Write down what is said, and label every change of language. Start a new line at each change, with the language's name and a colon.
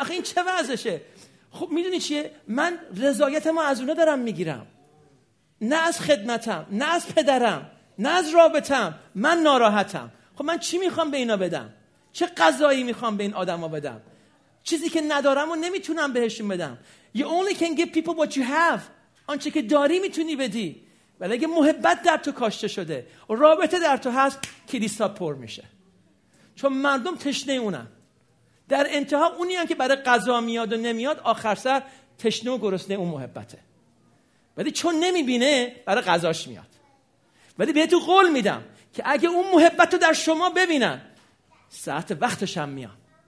Persian: آخه این چه وضعشه؟ خب میدونی چیه؟ من رضایتم از اونا دارم میگیرم، نه از خدمتم، نه از پدرم، نه از رابطم. من ناراحتم، خب من چی میخوام به اینا بدم؟ چه قضایی میخوام به این آدم ها بدم؟ چیزی که ندارم و نمیتونم بهشون بدم.
English: You only can give people what you have.
Persian: آنچه که داری میتونی بدی. ولی اگه محبت در تو کاشته شده، رابطه در تو هست، کلیسا پر میشه. چون مردم تشنه اونن. در انتها اونی هم که برای قضا میاد و نمیاد، آخر سر تشنه و گرسنه اون محبته. ولی چون نمیبینه، برای قضاش میاد. ولی بهتو قول میدم که اگه اون محبت رو در شما ببینن، ساعت وقتش هم میاد.